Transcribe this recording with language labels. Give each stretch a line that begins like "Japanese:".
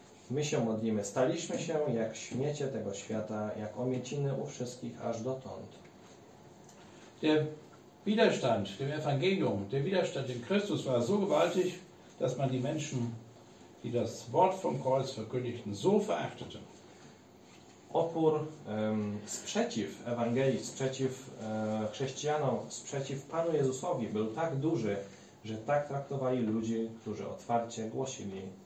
Polish: Złorzeczą nam, my się modlimy, staliśmy się jak śmiecie tego świata, jak omieciny u wszystkich aż dotąd.
German: Der Widerstand dem Evangelium, der Widerstand in Christus war so gewaltig, dass man die Menschen, die das Wort vom Kreuz verkündigten, so verachtete.
Polish: Opór, sprzeciw Ewangelii, sprzeciw chrześcijanom, sprzeciw Panu Jezusowi był tak duży, że tak traktowali ludzi, którzy otwarcie głosili.